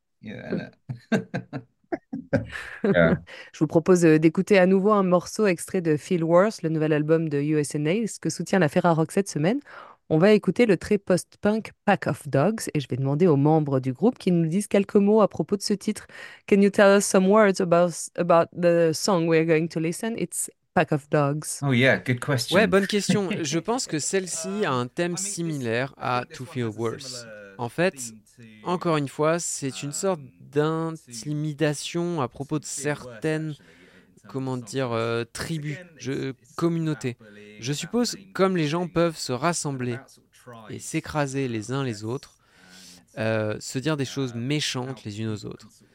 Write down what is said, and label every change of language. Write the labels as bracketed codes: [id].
[fr] Je vous propose d'écouter à nouveau un morceau extrait de Feel Worse, le nouvel album de USNA, ce que soutient la Ferrarock cette semaine. On va écouter le très post-punk Pack of Dogs et je vais demander aux membres du groupe qui nous disent quelques mots à propos de ce titre. [en] Can you tell us some words about the song we're going to listen? It's Pack of Dogs. Oh yeah, good question. [fr] Ouais, bonne question. Je pense que celle-ci a un thème similaire à To Feel Worse. En fait, encore une fois, c'est une sorte d'intimidation à propos de certaines comment dire, tribu, communauté. Je suppose, comme les gens peuvent se rassembler et s'écraser les uns les autres, se dire des choses méchantes les unes aux autres.